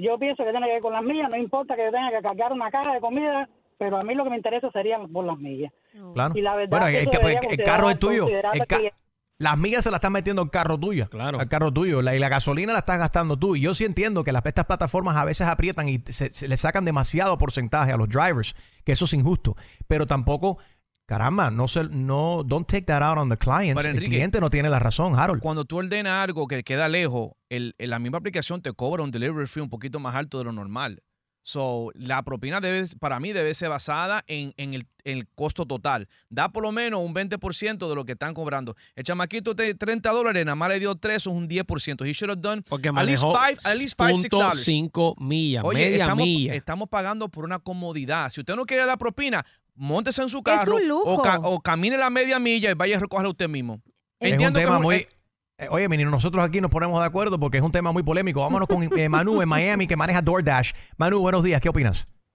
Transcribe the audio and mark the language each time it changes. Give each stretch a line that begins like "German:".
Spanish: Yo pienso que tiene que ver con las millas. No importa que yo tenga que cargar una caja de comida, pero a mí lo que me interesa sería por las millas. Claro. Y la verdad, bueno, el carro es tuyo. Las millas se las están metiendo al carro tuyo. Claro. Al carro tuyo. Y la gasolina la estás gastando tú. Y yo sí entiendo que estas plataformas a veces aprietan y se le sacan demasiado porcentaje a los drivers, que eso es injusto. Pero tampoco, caramba,
English: don't take that out on the clients.
Spanish: Enrique, el cliente no tiene la razón, Harold. Cuando tú ordenas algo que queda lejos, la misma aplicación te cobra un delivery fee un poquito más alto de lo normal. So, la propina debe ser basada en el costo total. Da por lo menos un 20% de lo que están cobrando. El chamaquito de $30, nada más le dio 3, es un 10%.
English: He should have done
Spanish: porque
English: at least 5
Spanish: millas. Oye, media milla. Estamos pagando por una comodidad. Si usted no quiere dar propina, móntese en su carro o camine la media milla y vaya a recogerla usted mismo. Entiendo que oye, menino, nosotros aquí nos ponemos de acuerdo porque es un tema muy polémico. Vámonos con Manu en Miami, que maneja DoorDash. Manu, buenos días. ¿Qué opinas?